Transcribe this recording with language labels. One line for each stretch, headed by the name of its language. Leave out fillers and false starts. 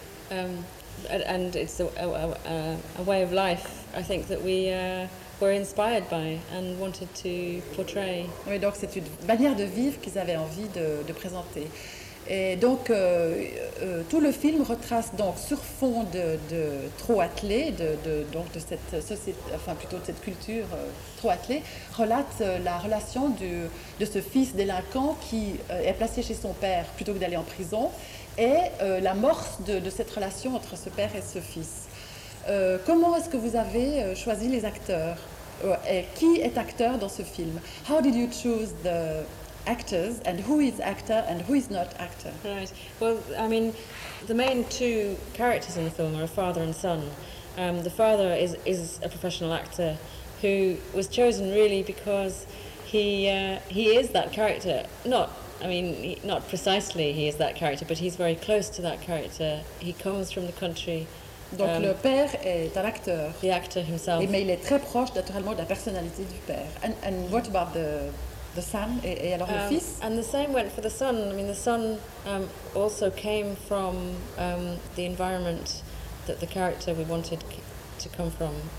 English: And it's a way of life, I think, that we... were inspired by and wanted to portray.
French: Oui, donc c'est une manière de vivre qu'ils avaient envie de présenter. Et donc tout le film retrace donc sur fond de trot attelé, donc de cette société, enfin plutôt de cette culture trot attelé, relate la relation de ce fils délinquant qui est placé chez son père plutôt que d'aller en prison, et l'amorce de cette relation entre ce père et ce fils. Comment est-ce que vous avez choisi les acteurs? Et qui est acteur dans ce film?
English: How did you choose the actors, and who is actor and who is not actor? Right. Well, I mean, the main two characters in the film are a father and son. The father is a professional actor who was chosen really because he is that character. Not precisely he is that character, but he's very close to that character. He comes from the country.
French: Donc le père est un acteur.
English: The actor himself.
French: Mais il est très proche naturellement de la personnalité du père.
English: And what about the son?
French: Et alors le fils?
English: And the same went for the son. I mean, the son also came from the environment that the character we wanted to come from.